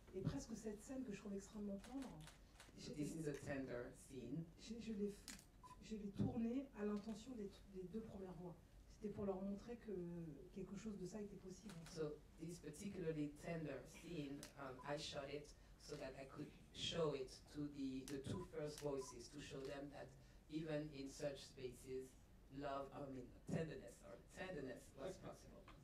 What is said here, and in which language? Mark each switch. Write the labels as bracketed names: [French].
[French] Et presque cette scène que je trouve extrêmement tendre. [English] So this is a tender scene. [French] Je l'ai tourné à l'intention des deux premières voix. C'était pour leur montrer que quelque chose de ça était possible. [English] So this particularly tender scene, I shot it so that I could show it to the two first voices to show them that even in such spaces, love, I mean, tenderness, or tenderness was possible.